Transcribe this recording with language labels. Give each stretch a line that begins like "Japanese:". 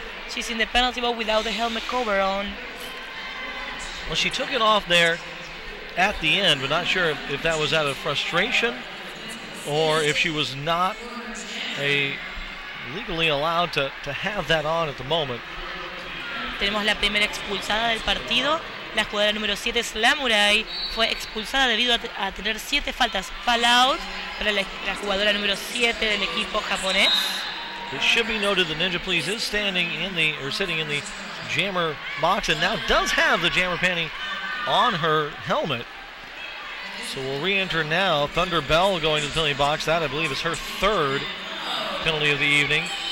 English: She's in the penalty box without the helmet cover on. Well, she took it off there at the end, but not sure if that was out of frustration or if she was not legally allowed to have that on at the moment.
Spanish: Tenemos la primera expulsada del partido. La jugadora número 7, Slamurai, fue expulsada debido a tener 7 faltas. Fall out para la jugadora número 7 del equipo japonés.
English: It should be noted that Ninja Please is standing in the, or sitting in the jammer box and now does have the jammer panty on her helmet. So we'll re-enter now. Thunder Bell going to the penalty box. That, I believe, is her 3rd penalty of the evening.